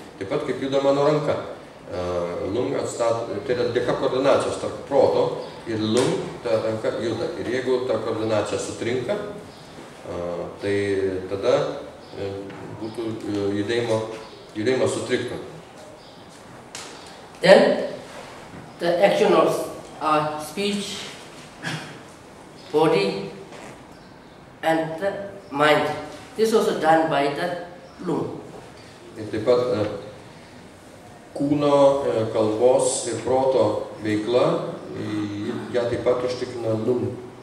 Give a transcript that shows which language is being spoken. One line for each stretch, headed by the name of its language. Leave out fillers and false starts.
Lithuanian: Taip pat kaip juda mano ranka. Lung atstato, tai yra dėka koordinacijos tarp proto ir lung, ta ranka juda. Ir jeigu ta koordinacija sutrinka, tai tada būtų judėjimo sutrikta.
English: Then the action of speech, body and the mind. This also done by the lung.
Lithuanian: Ir taip pat kūno, kalbos ir proto veikla, ją taip pat užtikrina lung.